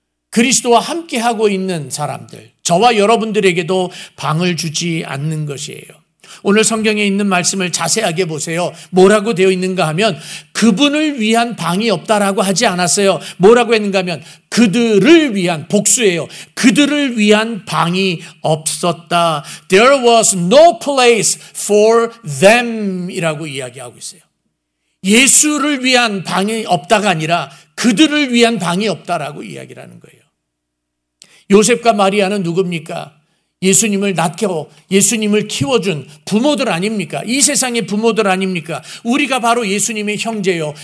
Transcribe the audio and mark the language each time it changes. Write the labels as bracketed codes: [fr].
[ko] 그리스도와 함께하고 있는 사람들, 저와 여러분들에게도 방을 주지 않는 것이에요. 오늘 성경에 있는 말씀을 자세하게 보세요. 뭐라고 되어 있는가 하면 그분을 위한 방이 없다라고 하지 않았어요. 뭐라고 했는가 하면 그들을 위한, 복수예요. 그들을 위한 방이 없었다. [en] There was no place for them [ko] 이라고 이야기하고 있어요. 예수를 위한 방이 없다가 아니라 그들을 위한 방이 없다라고 이야기를 하는 거예요. 요셉과 마리아는 누굽니까? 예수님을 낳고 예수님을 키워준 부모들 아닙니까? 이 세상의 부모들 아닙니까? 우리가 바로 예수님의 형제요.